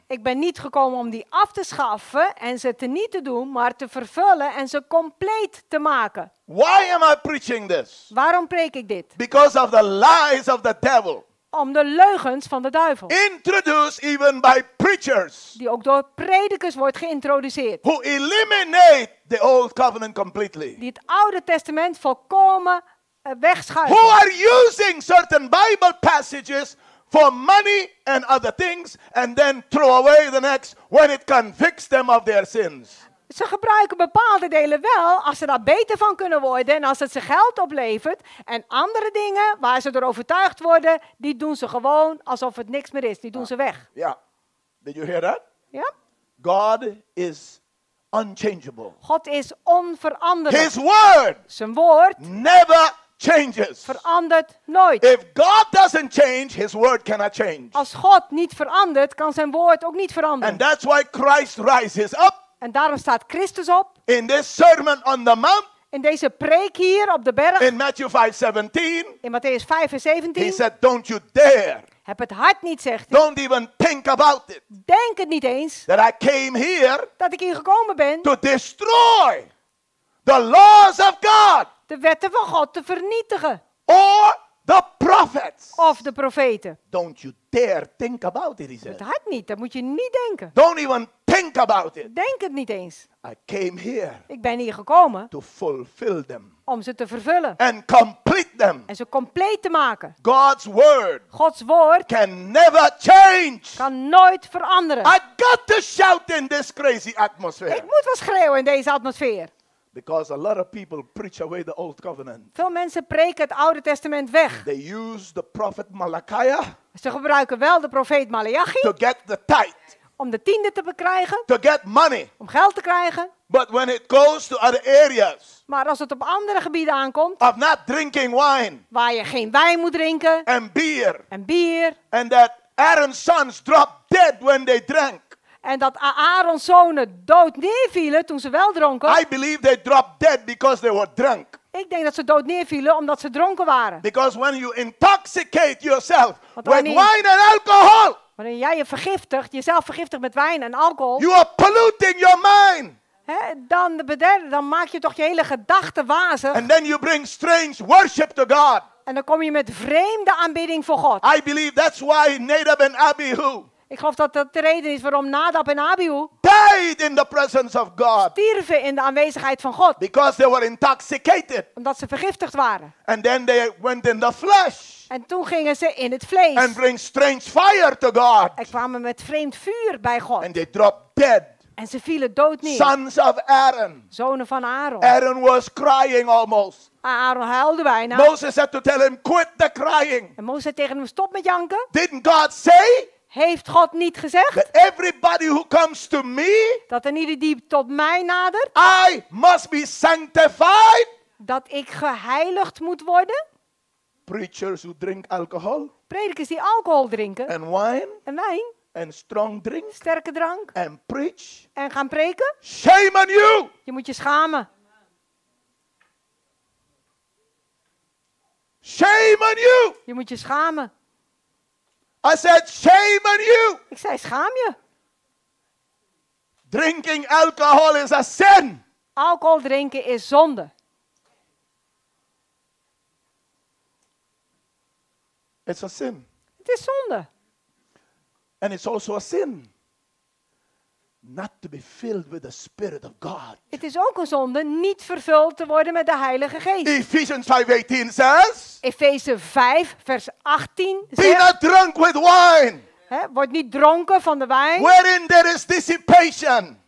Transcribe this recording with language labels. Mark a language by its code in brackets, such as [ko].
[nl] Ik ben niet gekomen om die af te schaffen en ze te niet te doen, maar te vervullen en ze compleet te maken. [en] Why am I preaching this? [nl] Waarom preek ik dit? [en] Because of the lies of the devil. [nl] Om de leugens van de duivel. [en] Introduced even by preachers. [nl] Die ook door predikers wordt geïntroduceerd. [en] Who eliminate the old covenant completely. [nl] Die het Oude Testament volkomen wegschuiven. [en] Who are using certain Bible passages for money and other things and then throw away the next when it convicts them of their sins. [nl] Ze gebruiken bepaalde delen wel als ze daar beter van kunnen worden en als het ze geld oplevert. En andere dingen waar ze door overtuigd worden, die doen ze gewoon alsof het niks meer is. Die doen ze weg. [en] Ja. Yeah. Did you hear that? Ja. Yeah. God is unchangeable. [nl] God is onveranderlijk. [en] His word. [nl] Zijn woord. [en] Never changes. [nl] Verandert nooit. [en] If God doesn't change, his word cannot change. [nl] Als God niet verandert, kan zijn woord ook niet veranderen. [en] And that's why Christ rises up. [nl] En daarom staat Christus op. [en] In this sermon on the mount. [nl] In deze preek hier op de berg. [en] In Matthew 5, 17. [nl] In Matthäus 5, vers 17. [en] He said, don't you dare. [nl] Heb het hart niet, zegt hij. [en] Don't even think about it. [nl] Denk het niet eens. [en] That I came here. [nl] Dat ik hier gekomen ben. [en] To destroy the laws of God. [nl] De wetten van God te vernietigen. [en] Or the prophets. [nl] Of de profeten. [en] Don't you dare think about it, he said. [nl] Het hart niet, dat moet je niet denken. [en] Don't even think about it. [nl] Denk het niet eens. [en] I came here. [nl] Ik ben hier gekomen. [en] To fulfill them. [nl] Om ze te vervullen. [en] And complete them. [nl] En ze compleet te maken. [en] God's word. [nl] Gods woord. [en] Can never change. [nl] Kan nooit veranderen. [en] I got to shout in this crazy atmosphere. [nl] Ik moet wel schreeuwen in deze atmosfeer. [en] Because a lot of people preach away the old covenant. [nl] Veel mensen preken het Oude Testament weg. [en] They use the prophet Malachiah. [nl] Ze gebruiken wel de profeet Malachi. [en] To get the tithe. [nl] Om de tiende te bekrijgen. [en] To get money. [nl] Om geld te krijgen. [en] But when it goes to other areas, [nl] maar als het op andere gebieden aankomt, [en] of not drinking wine, [nl] waar je geen wijn moet drinken, [en] and beer, [nl] en bier, [en] and that Aaron's sons dropped dead when they drank. [nl] En dat Aaron's zonen dood neervielen toen ze wel dronken. [en] I believe they dropped dead because they were drunk. [nl] Ik denk dat ze dood neervielen omdat ze dronken waren. [en] Because when you intoxicate yourself with wine and alcohol. [nl] Wanneer jij je vergiftigt, jezelf vergiftigt met wijn en alcohol. [en] You are polluting your mind. [nl] Hè, dan maak je toch je hele gedachten wazig. [en] And then you bring strange worship to God. [nl] En dan kom je met vreemde aanbidding voor God. [en] I believe that's why Nadab and Abihu. [nl] Ik geloof dat dat de reden is waarom Nadab en Abihu [en] died in the presence of God. [nl] Stierven in de aanwezigheid van God. [en] Because they were intoxicated. [nl] Omdat ze vergiftigd waren. [en] And then they went in the flesh. [nl] En toen gingen ze in het vlees. [en] And bring strange fire to God. [nl] En kwamen met vreemd vuur bij God. [en] And they dropped dead. [nl] En ze vielen dood neer. [en] Sons of Aaron. [nl] Zonen van Aaron. [en] Aaron was crying almost. [nl] Aaron huilde bijna. [en] Moses had to tell him, quit the crying. [nl] En Moses zei tegen hem, stop met janken. [en] Didn't God say? [nl] Heeft God niet gezegd [en] that everybody who comes to me, [nl] dat een ieder die tot mij nadert, [en] I must be sanctified, [nl] dat ik geheiligd moet worden? [en] Preachers who drink alcohol, [nl] predikers die alcohol drinken, [en] and wine, [nl] en wijn, [en] and strong drink, [nl] sterke drank, [en] and preach, [nl] en gaan preken, [en] shame on you! [nl] Je moet je schamen. [en] Shame on you! [nl] Je moet je schamen. [en] I said, shame on you. [nl] Ik zei, schaam je. [en] Drinking alcohol is a sin. [nl] Alcohol drinken is zonde. [en] It's a sin. [nl] Het is zonde. [en] And it's also a sin. Not to be filled with the Spirit of God. [nl] Het is ook een zonde niet vervuld te worden met de Heilige Geest. [en] Ephesians 5:18 says. [nl] Efeze 5 vers 18 zegt. [en] Be not drunk with wine. [nl] Hè, word niet dronken van de wijn. [en] Wherein there is dissipation.